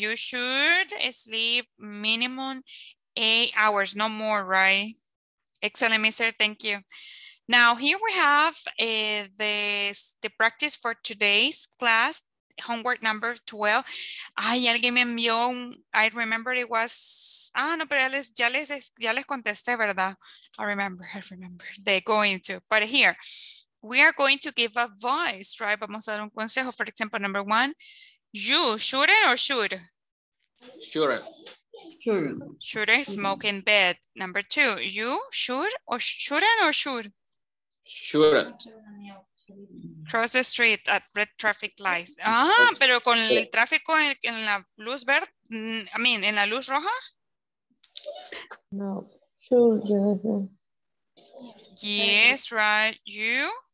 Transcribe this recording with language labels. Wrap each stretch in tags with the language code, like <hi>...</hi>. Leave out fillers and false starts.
<en>You should sleep minimum 8 hours, no more, right? Excellent, Mr. Thank you. Now here we have the practice for today's class. Homework number 12.</en> <es>Ay, alguien me envió un,</es> <en>I remember it was,</en> <es>ah, no, pero ya les contesté, ¿verdad?</es> <en>I remember. They're going to. But here, we are going to give a voice, right?</en> <es>Vamos a dar un consejo.</es> <en>For example, number one, you shouldn't or should? Shouldn't. Shouldn't smoke in bed. Number two, you should or shouldn't or should? Shouldn't. Cross the street at red traffic lights.</en> <es>Ah, pero con el tráfico en la luz verde,</es> <en>I mean,</en> <es>en la luz roja.</es> <en>No, should. Yes, right. You.</en>